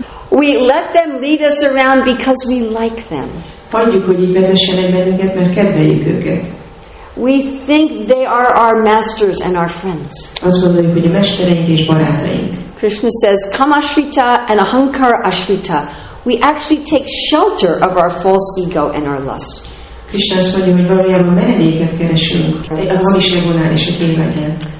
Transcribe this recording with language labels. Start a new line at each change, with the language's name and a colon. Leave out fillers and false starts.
English: We let them lead us around because we like them.
Hungarian: Hagyjuk, hogy így vezessenek bennünket, mert kedveljük őket.
English: We think they are our masters and our friends.
Hungarian: Azt gondoljuk, hogy a mestereink és barátaink.
English: Krishna says, "Kamashrita and ahankara ashrita." We actually take shelter of our false ego and our lust.
Hungarian: Krishna azt mondja, hogy valójában menedéket keresünk, a hamis egónál és a kényvágynál.